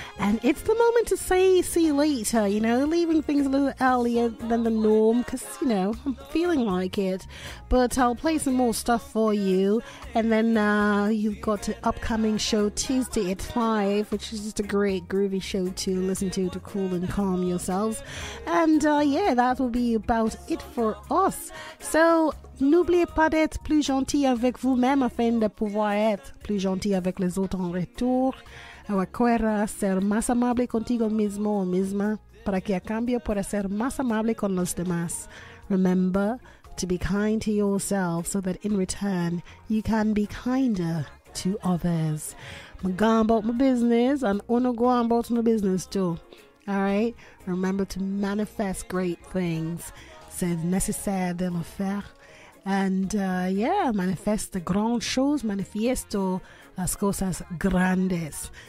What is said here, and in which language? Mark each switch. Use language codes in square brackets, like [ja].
[en] And it's the moment to say see you later, you know, leaving things a little earlier than the norm, because, you know, I'm feeling like it. But I'll play some more stuff for you. And then you've got an upcoming show Tuesday at 5, which is just a great groovy show to listen to cool and calm yourselves. And yeah, that will be about it for us. [fr] So, n'oubliez pas d'être plus gentil avec vous-même afin de pouvoir être plus gentil avec les autres en retour. [es] Recuerda ser más amable contigo mismo o misma para que a cambio pueda ser más amable con los demás. [en] Remember to be kind to yourself so that in return you can be kinder to others. I'm going about my business and I'm going about my business too. All right? Remember to manifest great things. [fr] C'est nécessaire de le faire. [en] And yeah, manifest the grand shows, [es] manifiesto las cosas grandes.